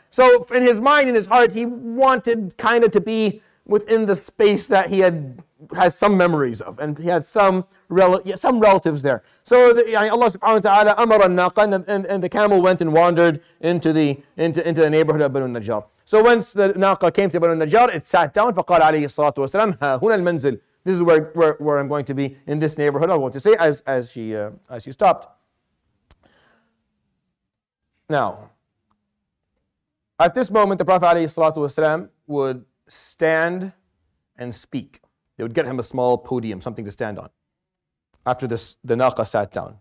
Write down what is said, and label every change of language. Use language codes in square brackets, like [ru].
[en] So in his mind, in his heart, he wanted kind of to be within the space that he had some memories of, and he had some relatives there. So Allah subhanahu wa ta'ala amara an-naqa, and the camel went and wandered into the neighborhood of Banu Najjar. So once the naqa came to Banu Najjar, it sat down. [ar] فقال عليه الصلاة والسلام ها هنا المنزل. [en] This is where I'm going to be in this neighborhood. I want to say as she stopped. Now, at this moment, the Prophet عليه الصلاة والسلام would stand and speak. They would get him a small podium, something to stand on. After this, the naqa sat down.